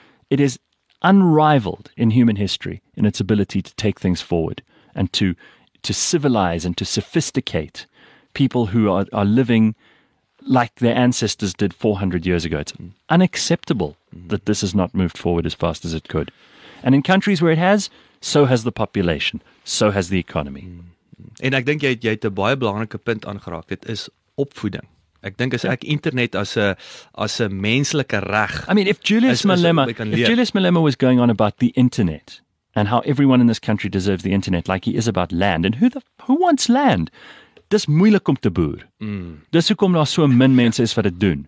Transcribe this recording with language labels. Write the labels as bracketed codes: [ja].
[en] It is unrivaled in human history in its ability to take things forward and to civilize and to sophisticate people who are living like their ancestors did 400 years ago. It's unacceptable that this has not moved forward as fast as it could. And in countries where it has, so has the population, so has the economy. [af] En ek dink jy het 'n baie belangrike punt aangeraak. Dit is opvoeding. Ek dink as ek internet as 'n menslike reg. [en] I mean, if Julius Malema was going on about the internet and how everyone in this country deserves the internet, like he is about land, and who wants land? [af] Dis moeilik om te boer. Dis hoekom daar so min mense is wat dit doen.